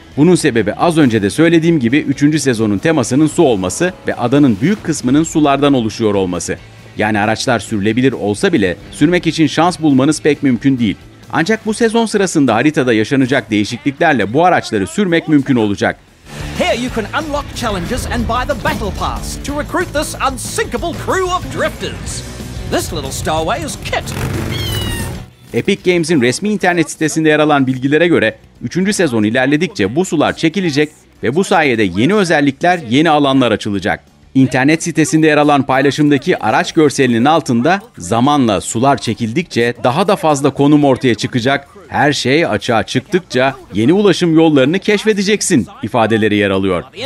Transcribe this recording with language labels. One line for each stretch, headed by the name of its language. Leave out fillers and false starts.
Turkish: Bunun sebebi az önce de söylediğim gibi 3. sezonun temasının su olması ve adanın büyük kısmının sulardan oluşuyor olması. Yani araçlar sürülebilir olsa bile sürmek için şans bulmanız pek mümkün değil. Ancak bu sezon sırasında haritada yaşanacak değişikliklerle bu araçları sürmek mümkün olacak.
English: Here you can unlock challenges and buy the battle pass to recruit this unsinkable crew of drifters. This little stowaway is kit.
Turkish: Epic Games'in resmi internet sitesinde yer alan bilgilere göre 3. sezon ilerledikçe bu sular çekilecek ve bu sayede yeni özellikler, yeni alanlar açılacak. İnternet sitesinde yer alan paylaşımdaki araç görselinin altında zamanla sular çekildikçe daha da fazla konum ortaya çıkacak, her şey açığa çıktıkça yeni ulaşım yollarını keşfedeceksin ifadeleri yer alıyor.